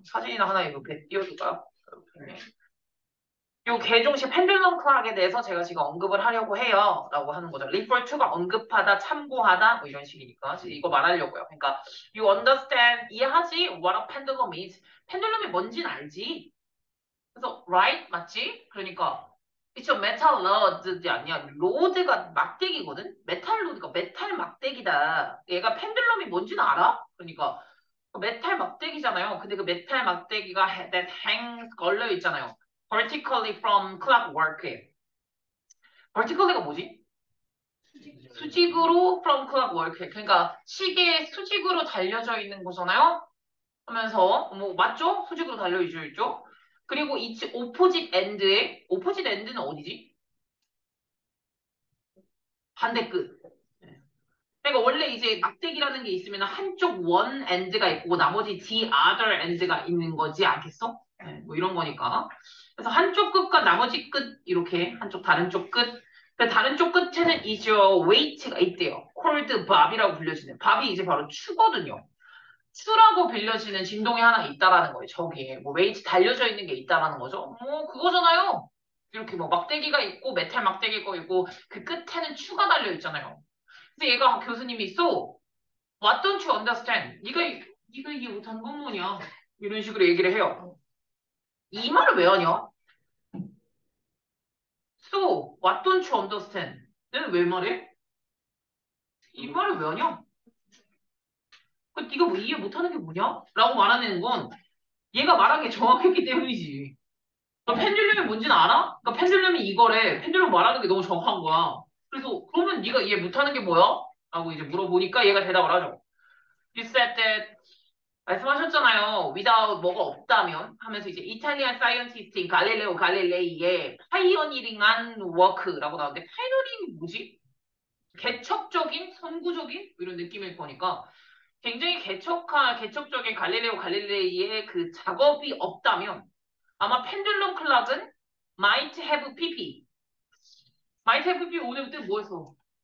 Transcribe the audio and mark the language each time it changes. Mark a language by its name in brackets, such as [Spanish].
[Korean] 사진이나 하나 이렇게 띄워줄까요? 이렇게. 요 괴종시계 펜듈럼 클락에 대해서 제가 지금 언급을 하려고 해요 라고 하는 거죠. refer to가 언급하다, 참고하다 뭐 이런 식이니까 이거 말하려고요. 그러니까 [English] you understand, [Korean] 이해하지? [English] what a pendulum is. [Korean] 펜듈럼이 뭔진 알지? 그래서 [English] right [Korean] 맞지? 그러니까 [English] it's a metal rod [Korean] 아니야. 로드가 막대기거든? 메탈 로드가 메탈 막대기다. 얘가 펜듈럼이 뭔진 알아? 그러니까 메탈 막대기잖아요. 근데 그 메탈 막대기가 [English] that hangs [Korean] 걸려 있잖아요. [English] Vertically from clockwork에. [Korean] Vertically가 뭐지? 수직으로 [English] from clockwork [Korean] 에. 그러니까 시계 수직으로 달려져 있는 거잖아요? 하면서 뭐 맞죠? 수직으로 달려져 있죠? [English] 그리고 it's opposite end에. opposite end [Korean] 는 어디지? 반대 끝. 그러니까 원래 이제 막대기라는 게 있으면 한쪽 [English] one end [Korean] 가 있고 나머지 [English] the other end [Korean] 가 있는 거지 않겠어? 뭐 이런 거니까. 그래서 한쪽 끝과 나머지 끝 이렇게 한쪽 다른 쪽 끝. 그 다른 쪽 끝에는 [English] is your weight [Korean] 가 있대요. [English] called bob [Korean] 이라고 불려지는. bob이 이제 바로 추거든요. 추라고 빌려지는 진동이 하나 있다라는 거예요. 저기에 뭐 weight 달려져 있는 게 있다라는 거죠. 뭐 그거잖아요. 이렇게 뭐 막대기가 있고 메탈 막대기가 있고 그 끝에는 추가 달려 있잖아요. 근데 얘가 교수님이 [English] so what don't you understand? [Korean] 네가 이게 뭐 단군문이야? 이런 식으로 얘기를 해요. 이 말을 왜 하냐? [English] So, what don't you understand? [Korean] 얘는 왜 말해? 이 말을 왜 하냐? 네가 뭐 이해 못하는 게 뭐냐? 라고 말하는 건 얘가 말한 게 정확했기 때문이지. 너 펜듈럼이 뭔지는 알아? 그러니까 펜듈럼이 이거래. 펜듈럼 말하는 게 너무 정확한 거야. 그래서 그러면 네가 이해 못하는 게 뭐야? 라고 이제 물어보니까 얘가 대답을 하죠. [English] You said that [Korean] 말씀하셨잖아요. Without 뭐가 없다면 하면서 이제 이탈리안 사이언티스트인 갈릴레오 갈릴레이의 파이어니링한 워크라고 나오는데 파이어니링이 뭐지? 개척적인? 선구적인? 이런 느낌일 거니까 굉장히 개척적인 갈릴레오 갈릴레이의 그 작업이 없다면 아마 펜듈럼 클락은 [English] might have pp. might have pp [Korean] 오늘부터 뭐였어?